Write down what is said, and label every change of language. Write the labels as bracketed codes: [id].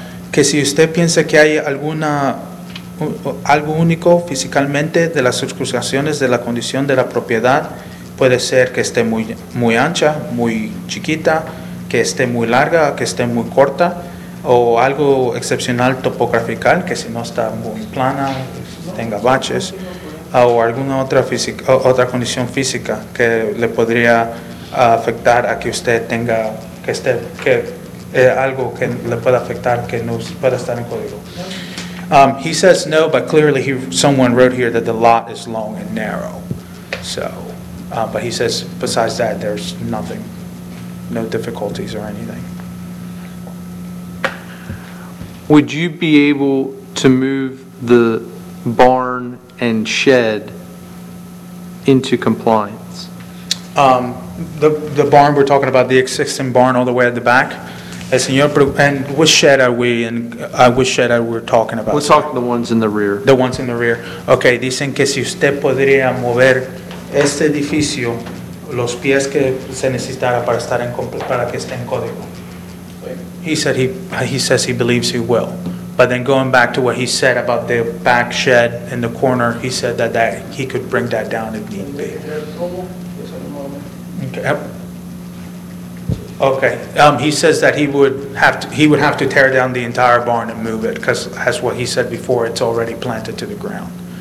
[es] Que si usted piensa que hay alguna algo único físicamente de las circunstancias de la condición de la propiedad, puede ser que esté muy, muy ancha, muy chiquita, que esté muy larga, que esté muy corta, o algo excepcional topográfical, que si no está muy plana, tenga baches, o alguna otra, otra condición física que le podría afectar a que usted tenga que esté... Que, algo que le pueda afectar que no pueda estar en código. [en] He says no, but clearly someone wrote here that the lot is long and narrow. So, but he says besides that, there's nothing, no difficulties or anything. Would you be able to move the barn and shed into compliance? The barn, we're talking about the existing barn all the way at the back. And which shed are we in, which shed are we talking about? We'll talk the ones in the rear. The ones in the rear. [es] Okay, dicen que si usted podría mover este edificio, los pies que se necesitara para estar en para que esté en código. [en] He said he says he believes he will. But then going back to what he said about the back shed in the corner, he said that he could bring that down if need be. Okay. Okay. He says that he would have to tear down the entire barn and move it because, as what he said before, it's already planted to the ground.